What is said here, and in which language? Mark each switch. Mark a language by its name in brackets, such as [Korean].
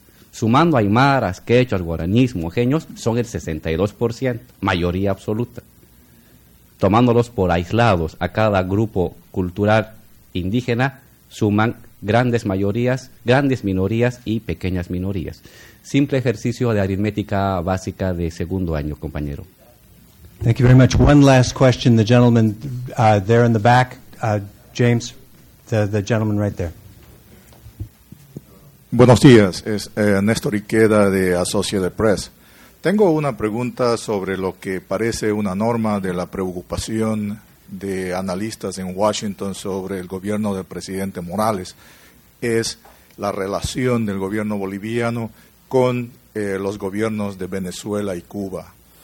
[Spanish] Sumando aymaras, quechuas, guaraníes, mojeños, son el 62%, mayoría absoluta. Tomándolos por aislados a cada grupo cultural indígena, suman grandes mayorías, grandes minorías y pequeñas minorías. Simple ejercicio de aritmética básica de segundo año, compañero. [English] Thank you very much. One last question, the gentleman there in the back, James, the gentleman right there. [Spanish] Buenos días, es Néstor Iqueda de Associated Press. Tengo una pregunta sobre lo que parece una norma de la preocupación de analistas en Washington sobre el gobierno del presidente Morales. Es la relación del gobierno boliviano con los gobiernos de Venezuela y Cuba.